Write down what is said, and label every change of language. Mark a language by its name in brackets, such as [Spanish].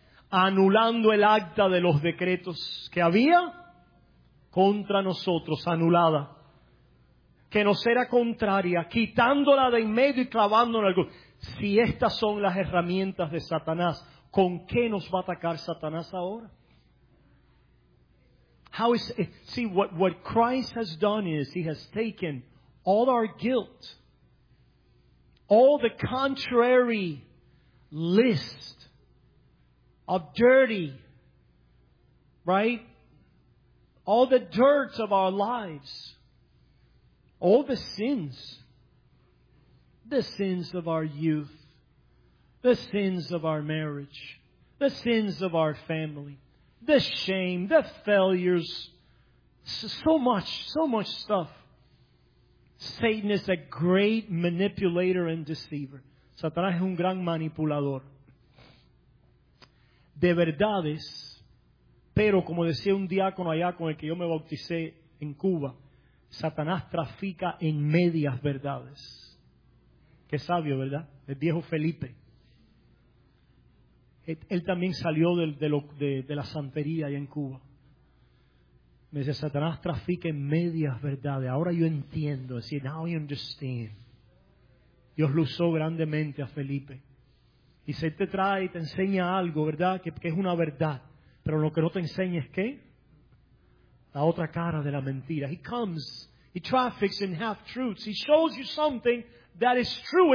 [Spanish] Anulando el acta de los decretos que había contra nosotros, anulada, que nos era contraria, quitándola de en medio y clavándola. Si estas son las herramientas de Satanás, ¿con qué nos va a atacar Satanás ahora? [English] How is it? See, what Christ has done is He has taken all our guilt, all the contrary list of dirty, right? All the dirt of our lives, all the sins of our youth, the sins of our marriage, the sins of our family, the shame, the failures, so much stuff. Satan is a great manipulator and deceiver. [Spanish] Satanás es un gran manipulador. De verdades. Pero, como decía un diácono allá con el que yo me bauticé en Cuba, Satanás trafica en medias verdades. Qué sabio, ¿verdad? El viejo Felipe. Él también salió de la santería allá en Cuba. Me dice, Satanás trafica en medias verdades. Ahora yo entiendo. Decir, [English] now I understand. [Spanish] Dios lo usó grandemente a Felipe. Y se te trae y te enseña algo, ¿verdad? Que es una verdad. Pero lo que no te enseña es qué. La otra cara de la mentira. [English] He comes, he traffics in half truths. He shows you something that is true.